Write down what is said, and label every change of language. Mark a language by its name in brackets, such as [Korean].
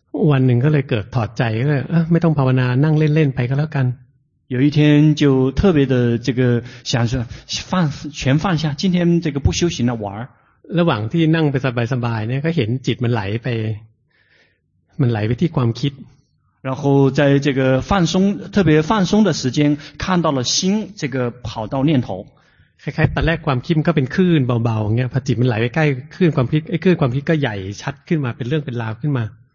[Thai] วันหนึ่งก็เลยเกิดถอดใจก็เลยไม่ต้องภาวนานั่งเล่นๆไปก็แล้วกัน [Chinese] 有一天就特别的这个想说放全放下今天这个不修行了玩 [Thai] ระหว่างที่นั่งไปสบายๆเนี่ยก็เห็นจิตมันไหลไปที่ความคิด [Chinese] 然后在这个放松特别放松的时间看到了心这个跑到念头 [Thai] คล้ายๆตอนแรกความคิดก็เป็นคลื่นเบาๆเงี้ยพอจิตมันไหลไปใกล้คลื่นความคิดไอ้คลื่นความคิดก็ใหญ่ชัดขึ้นมาเป็นเรื่องเป็นราวขึ้นมา